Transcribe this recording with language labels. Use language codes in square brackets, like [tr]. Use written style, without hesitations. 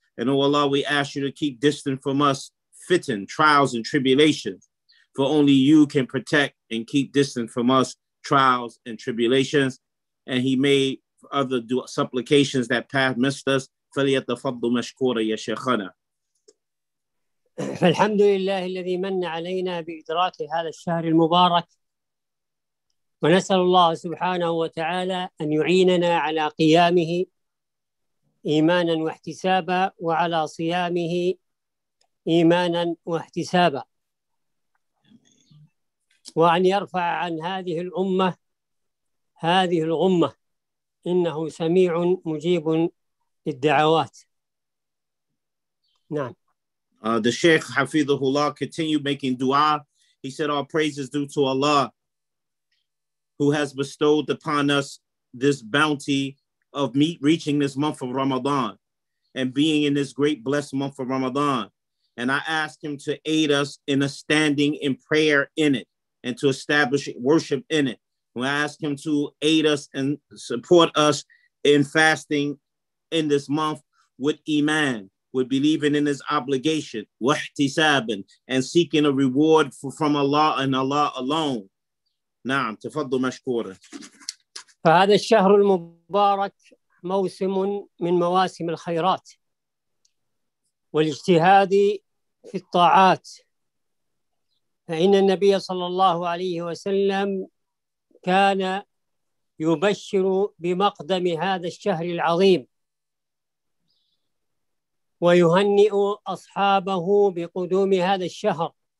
[en] And O Allah, we ask you to keep distant from us fitting trials and tribulations, for only you can protect and keep distant from us trials and tribulations. And he made other supplications that path missed us. [ar] Faliyat the fadlu mashkura ya shaykhana. فالحمد لله الذي من علينا بإدراك هذا الشهر المبارك ونسأل الله سبحانه وتعالى أن يعيننا على قيامه إيمانا واحتسابا وعلى صيامه إيمانا واحتسابا وأن يرفع عن هذه الأمة هذه الغمة إنه سميع مجيب للدعوات نعم. [en] The Shaykh Hafidhullah continued making dua. He said, all praise is due to Allah, who has bestowed upon us this bounty of reaching this month of Ramadan and being in this great blessed month of Ramadan. And I ask him to aid us in a standing in prayer in it and to establish worship in it. We ask him to aid us and support us in fasting in this month with iman, with believing in his obligation, wahtisabin, and seeking a reward from Allah and Allah alone. [ar] Naam, tafaddal mashkura. فهذا الشهر المبارك موسم من مواسم الخيرات والاجتهاد في الطاعات. فإن النبي صلى الله عليه وسلم كان يبشر بمقدم هذا الشهر العظيم ويهنئ أصحابه بقدوم هذا الشهر.